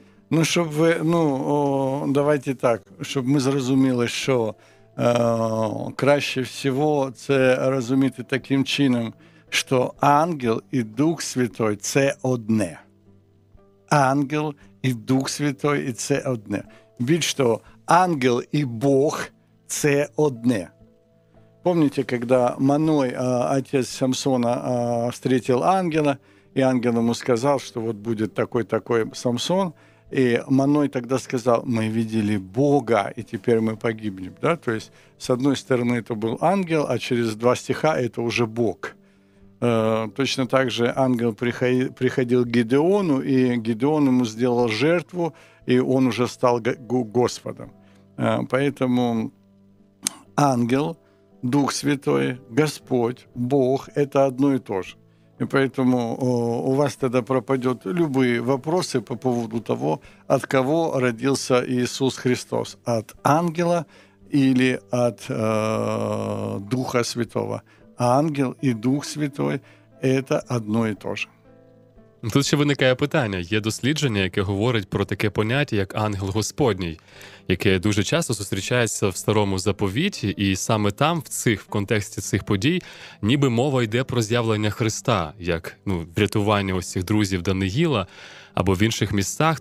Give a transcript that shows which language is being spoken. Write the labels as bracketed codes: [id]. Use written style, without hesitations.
[uk] Ну, щоб ви, давайте так, щоб ми зрозуміли, що краще всього це розуміти таким чином, що ангел і Дух Святой – це одне. Ангел і Дух Святой – і це одне. Більш того, ангел і Бог – це одне. [ru] Помните, когда Маной, отец Самсона, встретил ангела, и ангел ему сказал, что вот будет такой-такой Самсон, и Маной тогда сказал, мы видели Бога, и теперь мы погибнем. Да? То есть, с одной стороны, это был ангел, а через два стиха это уже Бог. Точно так же ангел приходил к Гедеону, и Гедеон ему сделал жертву, и он уже стал Господом. Поэтому ангел, Дух Святой, Господь, Бог – это одно и то же. И поэтому у вас тогда пропадут любые вопросы по поводу того, от кого родился Иисус Христос – от ангела или от Духа Святого. Ангел и Дух Святой – это одно и то же. [uk] Тут ще виникає питання. Є дослідження, яке говорить про таке поняття, як ангел Господній, яке дуже часто зустрічається в Старому Заповіті, і саме там, в контексті цих подій, ніби мова йде про з'явлення Христа, як врятування ось цих друзів Даниїла, або в інших місцях.